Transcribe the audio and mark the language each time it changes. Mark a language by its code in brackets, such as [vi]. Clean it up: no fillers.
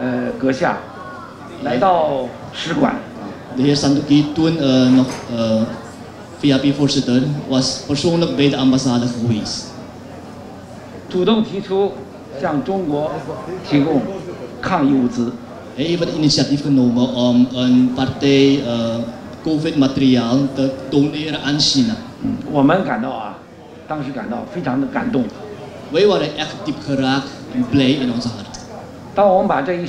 [zh] 当时还是VHP党的主席的山德基阁下来到使馆。 [nl] De heer Sandoki, toen nog VHP-voorzitter, was persoonlijk bij de ambassade geweest. [zh] 主动提出向中国提供抗疫物资。 [nl] Hij heeft het initiatief genomen om een partij COVID-materiaal te doneren aan China. [zh] 我们感到啊，当时感到非常的感动。 [nl] Wij waren echt diep geraakt en blij in onze hart.